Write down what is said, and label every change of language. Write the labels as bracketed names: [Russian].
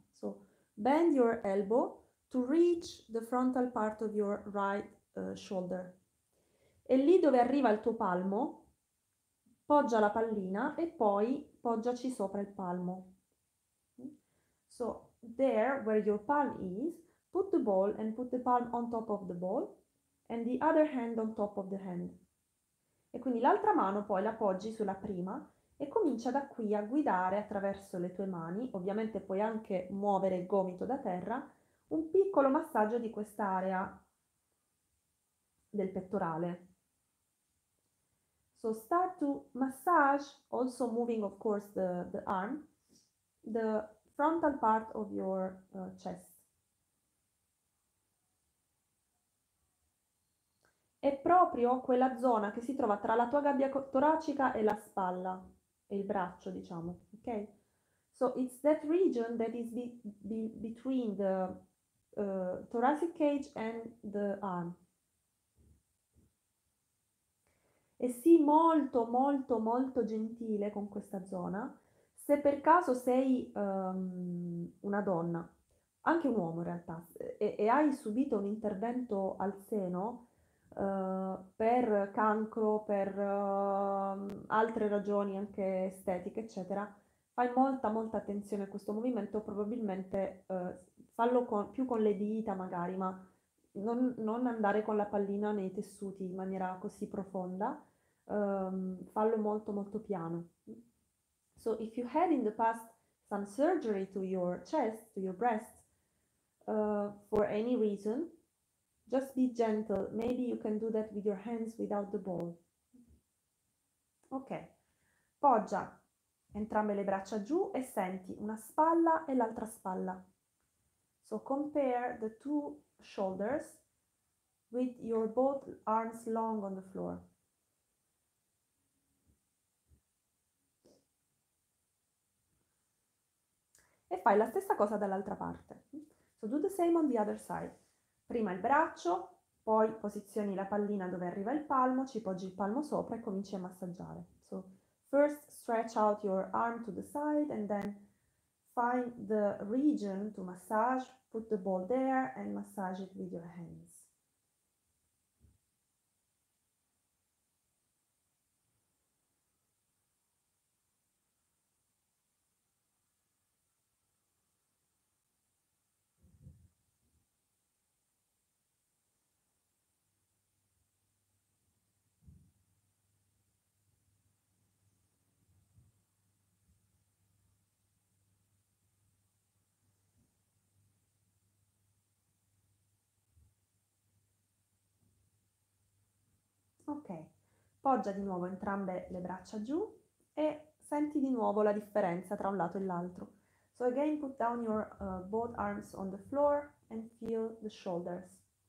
[English] So, bend your elbow to reach the frontal part of your right shoulder. [Italian] E lì dove arriva il tuo palmo, poggia la pallina e poi poggiaci sopra il palmo. [English] So, there where your palm is, put the ball and put the palm on top of the ball. And the other hand on top of the hand. [Italian] E quindi l'altra mano poi la poggi sulla prima e comincia da qui a guidare attraverso le tue mani. Ovviamente puoi anche muovere il gomito da terra, un piccolo massaggio di quest'area del pettorale. [English] So start to massage, also moving of course the arm, the frontal part of your chest. [Italian] È proprio quella zona che si trova tra la tua gabbia toracica e la spalla, e il braccio, diciamo, ok? [English] So it's that region that is between the thoracic cage and the arm. [Italian] E sii molto, molto, molto gentile con questa zona. Se per caso sei una donna, anche un uomo in realtà, e hai subito un intervento al seno, per cancro, per altre ragioni anche estetiche, eccetera, fai molta molta attenzione a questo movimento. Probabilmente fallo più con le dita, magari, ma non andare con la pallina nei tessuti in maniera così profonda. Fallo molto molto piano. [English] So, if you had in the past some surgery to your chest, to your breast, for any reason, just be gentle, maybe you can do that with your hands without the ball. [Italian] Ok, poggia entrambe le braccia giù e senti una spalla e l'altra spalla. [English] So compare the two shoulders with your both arms long on the floor. [Italian] E fai la stessa cosa dall'altra parte. [English] So do the same on the other side. [Italian] Prima il braccio, poi posizioni la pallina dove arriva il palmo, ci poggi il palmo sopra e cominci a massaggiare. [English] So, first stretch out your arm to the side and then find the region to massage, put the ball there and massage it with your hands. Ok, [Italian] Poggia di nuovo entrambe le braccia giù e senti di nuovo la differenza tra un lato e l'altro. [English] So again, put down your both arms on the floor and feel the shoulders.